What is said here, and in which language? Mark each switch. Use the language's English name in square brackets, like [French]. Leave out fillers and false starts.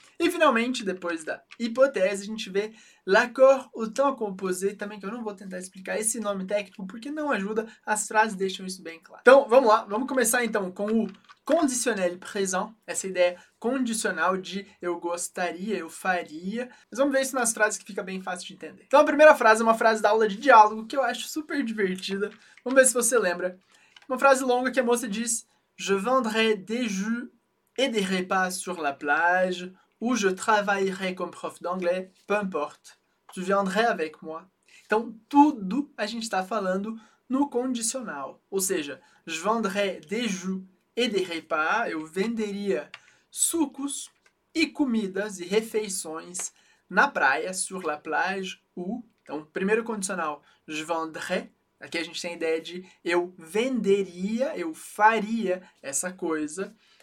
[Portuguese] E finalmente, depois da hipótese, a gente vê [French] l'accord au temps composé, [Portuguese] também que eu não vou tentar explicar esse nome técnico, porque não ajuda, as frases deixam isso bem claro. Então, vamos lá, vamos começar então com o conditionnel présent, essa ideia condicional de eu gostaria, eu faria. Mas vamos ver isso nas frases que fica bem fácil de entender. Então, a primeira frase é uma frase da aula de diálogo, que eu acho super divertida. Vamos ver se você lembra. Uma frase longa que a moça diz: [French] je vendrai des jus et des repas sur la plage, ou je travaillerai comme prof d'anglais, peu importe, tu viendrais avec moi. [Portuguese] Então, tudo a gente está falando no condicional. Ou seja, [French] je vendrai des jus et des repas, [Portuguese] eu venderia sucos e comidas e refeições na praia, [French] sur la plage, [Portuguese] ou. Então, primeiro condicional, [French] je vendrai. [Portuguese] Aqui a gente tem a ideia de eu venderia, eu faria essa coisa.